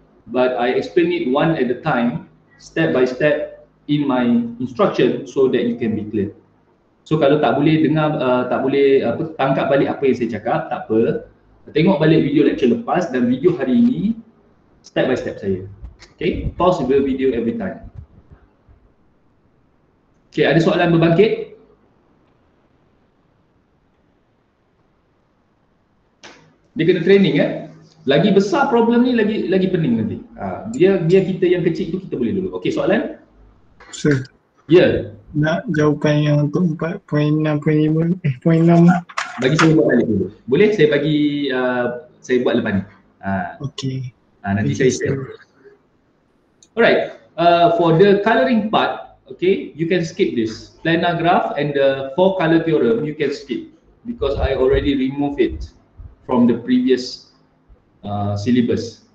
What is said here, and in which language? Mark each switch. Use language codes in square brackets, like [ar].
[en] But I explain it one at a time, step by step, in my instruction so that you can be clear. [ms] So kalau tak boleh dengar, tak boleh apa, tangkap balik apa yang saya cakap, tak apa. Tengok balik video lecture lepas dan video hari ini, step by step saya. [en] Okay, pause the video every time. [ms] Okay, ada soalan berbangkit? Dia kena training eh. Lagi besar problem ni, lagi pening nanti. Dia kita yang kecil tu kita boleh dulu. Okay, soalan? [en] Sir. [ms] Ya. Yeah. Nak jawapan yang untuk 4.6.5. Bagi saya buat balik dulu. Boleh saya bagi saya buat lepas ni. [en] Okay. [ms] Nanti saya share. Alright. [en] For the coloring part, okay, you can skip this. Planar graph and the four color theorem you can skip because I already remove it from the previous syllabus.